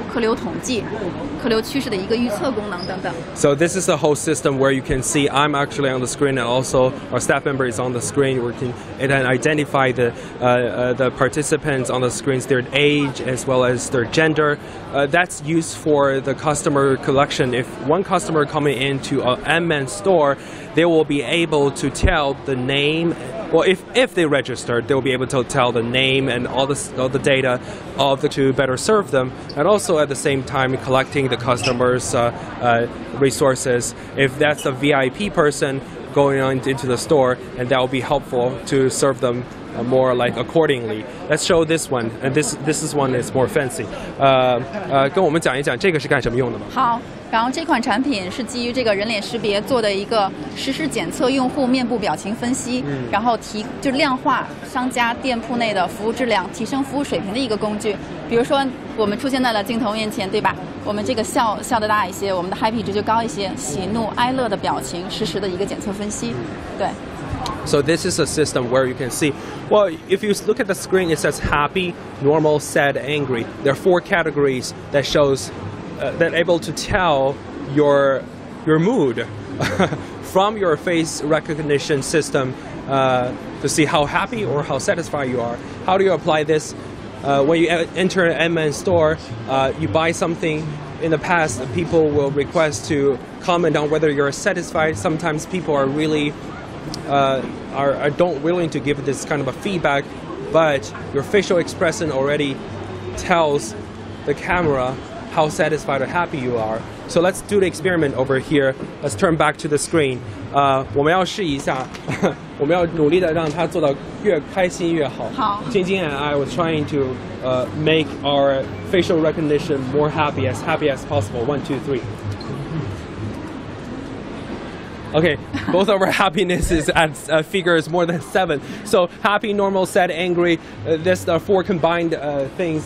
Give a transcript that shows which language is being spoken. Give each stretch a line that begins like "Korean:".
Chinese: 还能够帮助商家精准地统计我来店用户的一个年龄分布、客流统计、客流趋势的一个预测功能等等。
English: So this is the whole system where you can see I'm actually on the screen, and also our staff member is on the screen. We can identify the participants on the screens, their age as well as their gender. That's used for the customer collection. If one customer coming into an MN store, they will be able to tell the name. Well, if they registered, they will be able to tell the name and all the data of the two better serve them, and also at the same time collecting the customers' resources. If that's a VIP person going on into the store, and that will be helpful to serve them more like accordingly. Let's show this one, and this is one that's more fancy.
Chinese: 跟我们讲一讲这个是干什么用的吗？好，然后这款产品是基于这个人脸识别做的一个实时检测用户面部表情分析，然后就量化商家店铺内的服务质量，提升服务水平的一个工具。比如说我们出现在了镜头面前，对吧？我们这个笑得大一些，我们的 happy 值就高一些，喜怒哀乐的表情实时的一个检测分析，对。
English: So this is a system where you can see, well, if you look at the screen, it says happy, normal, sad, angry. There are four categories that shows, that able to tell your mood from your face recognition system to see how happy or how satisfied you are. How do you apply this? When you enter an MN store, you buy something. In the past, people will request to comment on whether you're satisfied. Sometimes people are really... are don't willing to give this kind of a feedback, but your facial expression already tells the camera how satisfied or happy you are. So let's do the experiment over here. Let's turn back to the screen.
Chinese: 我们要试一下，我们要努力的让它做到越开心越好。好。
English: 晶晶 and I were trying to make our facial recognition more happy as possible. 1, 2, 3. Okay, both of our happiness is at figures more than 7. So happy, normal, sad, angry, these are four combined things.